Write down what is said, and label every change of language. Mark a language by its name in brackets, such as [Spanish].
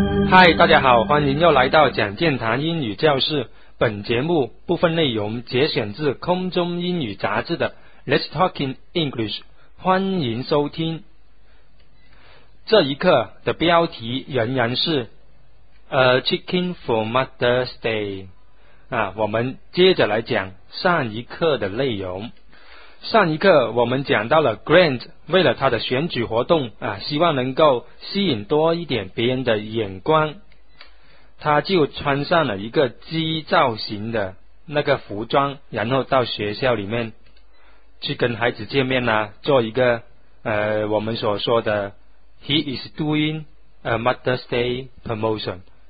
[Chinese] 嗨，大家好，欢迎又来到讲健谈英语教室。本节目部分内容节选自空中英语杂志的 Let's Talk in English， 欢迎收听。这一课的标题仍然是 A Chicken for Mother's Day。我们接着来讲上一课的内容。上一课我们讲到了 Grant 为了他的选举活动希望能够吸引多一点别人的眼光，他就穿上了一个鸡造型的那个服装，然后到学校里面去跟孩子见面做一个我们所说的 [English] He is doing a Mother's Day promotion，